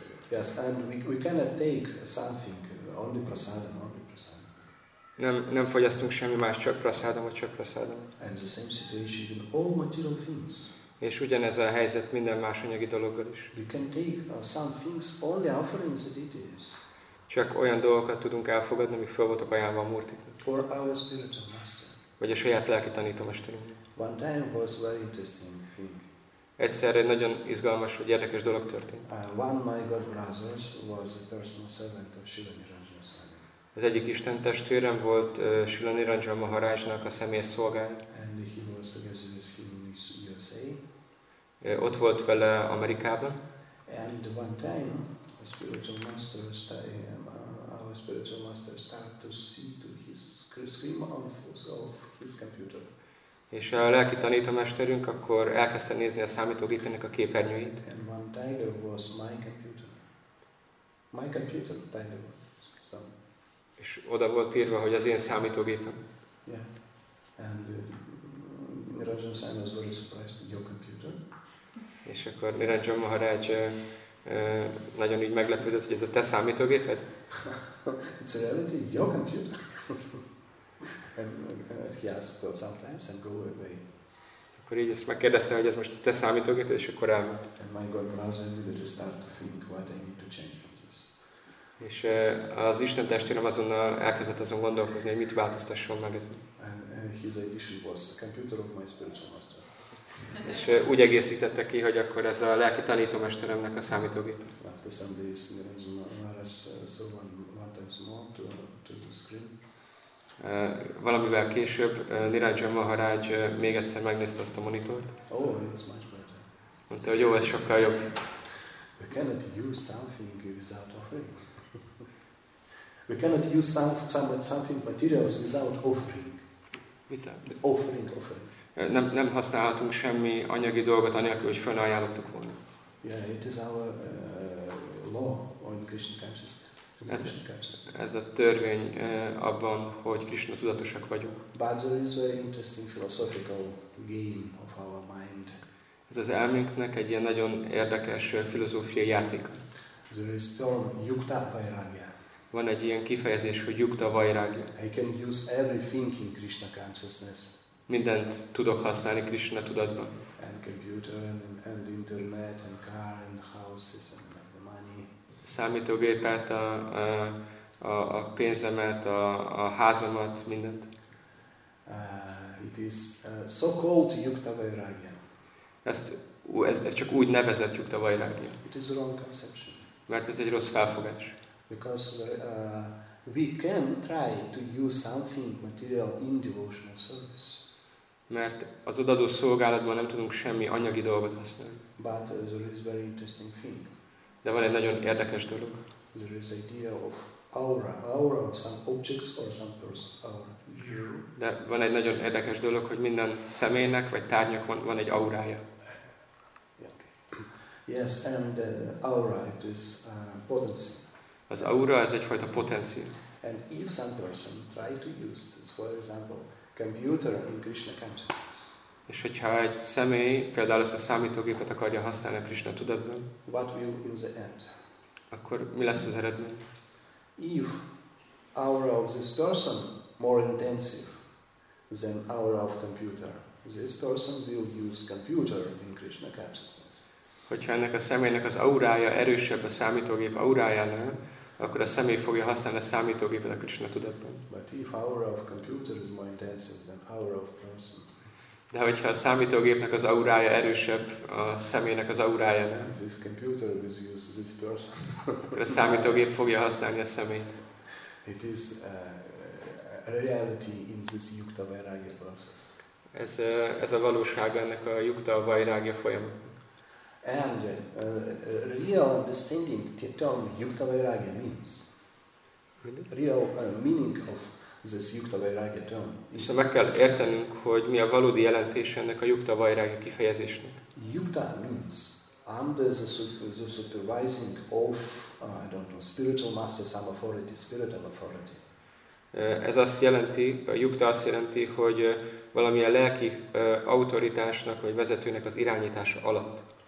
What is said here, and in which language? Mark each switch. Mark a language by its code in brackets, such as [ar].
[en] Yes, and we cannot take something, only prasadam. [hu] Nem fogyasztunk semmi más, csak prasadamot, csak prasadamot. [en] And the same situation in all material things. [hu] És ugyanez a helyzet minden más anyagi dologgal is. [en] We can take some things, only offerings that it is. [hu] Csak olyan dolgokat tudunk elfogadni, amik fel voltak ajánlva a murtiknak. [en] For our spiritual master. [hu] Vagy a saját lelki tanítómesterünk. [en] One time was very interesting thing. [hu] Egyszer egy nagyon izgalmas, vagy érdekes dolog történt. [en] One of my god brothers was a personal servant of Shiva Niranjanaswami. [hu] Az egyik Isten testvérem volt Srila Niranjana Maharajnak a személyes szolgája. [en] And he was together with him in USA. [hu] Ott volt vele Amerikában. [en] And one time, a spiritual master our spiritual master started to see to his screen of his computer. [hu] És a lelki tanítomesterünk akkor elkezdte nézni a számítógépének a képernyőit. [en] And one time was my computer. My computer time was some. [hu] És oda volt írva, hogy az én számítógépem. [en] Yeah. And Niranjan Sam was very surprised, your computer. [hu] És akkor Niranjan Maharaj nagyon így meglepődött, hogy ez a te számítógéped? [en] It's a reality, your computer. And he asked for sometimes and go away. [hu] Akkor így ezt megkérdezte, hogy ez most a te számítógéped, és akkor elment. [en] And my God brother immediately start to think what I need to change. [hu] És az Isten testvérem azonnal elkezdett azon gondolkozni, hogy mit változtasson meg ezen. [en] His addition was a computer of my spiritual master. [hu] És úgy egészítette ki, hogy akkor ez a lelki tanítómesteremnek a számítógép. [en] After some days, Niranjan Maharaj saw one time more to the screen. [hu] Valamivel később Niranjan Maharaj még egyszer megnézte azt a monitort. [en] Oh, it's much better. [hu] Mondta, hogy jó, ez sokkal jobb. [en] We cannot use something without offering. We cannot use something materials without offering. Without offering, offering. [hu] Nem használhatunk semmi anyagi dolgot anélkül, hogy fölajánlottuk volna. [en] Yeah, it is our law on Krishna consciousness. [hu] Ez a törvény abban, hogy Krishna tudatosak vagyunk. [en] But there is a very interesting philosophical game of our mind. [hu] Ez az elménknek egy ilyen nagyon érdekes filozófiai játék. [en] There is term yukta vairagya. [hu] Van egy ilyen kifejezés, hogy yukta vairagya. [en] I can use every thinking Krishna consciousness. [hu] Mindent tudok használni Krishna tudatban. [en] And computer and internet and car and houses and the money. [hu] Számítógépet, a pénzemet, a házamat, mindent. [en] It is so called yukta vairagya. [hu] Ez csak úgy nevezett yukta vairagya. [en] It is a wrong conception. [hu] Mert ez egy rossz felfogás. [en] Because we can try to use something material in devotional service. [hu] Mert az odaadó szolgálatban nem tudunk semmi anyagi dolgot használni. [en] But there is very interesting thing. [hu] De van egy nagyon érdekes dolog. [en] There is idea of aura of some objects or some person. [hu] De van egy nagyon érdekes dolog, hogy minden személynek vagy tárgynak van egy aurája. [en] Yes, and aura it is potency. [hu] Az aura ez egyfajta potencia. [en] And if some person try to use this, for example, computer in Krishna consciousness. [hu] És hogyha egy személy például ezt a számítógépet akarja használni a Krishna tudatban, [en] what will in the end? [hu] Akkor mi lesz az eredmény? [en] If aura of this person more intensive than aura of computer, this person will use computer in Krishna consciousness. [hu] Hogyha ennek a személynek az aurája erősebb a számítógép aurájánál, akkor a személy fogja használni a számítógépet a Krishna tudatban. [en] But if aura of computer is more intensive than aura of person. [hu] De hogyha a számítógépnek az aurája erősebb a személynek az aurája, [en] this computer is used this person. [hu] Akkor a számítógép fogja használni a személyt. [en] It is a reality in this yukta vairagya process. [hu] Ez a valóság ennek a yukta vairagya folyamat. [en] And real understanding the term yukta vairagya means. Real meaning of this yukta vairagya term. [hu] És meg kell értenünk, hogy mi a valódi jelentése ennek a yukta vairagya kifejezésnek. [en] Yukta means under the supervising of I don't know spiritual master, some authority, spiritual authority. [hu] Ez azt jelenti, a yukta azt jelenti, hogy valamilyen lelki autoritásnak vagy vezetőnek az irányítása alatt.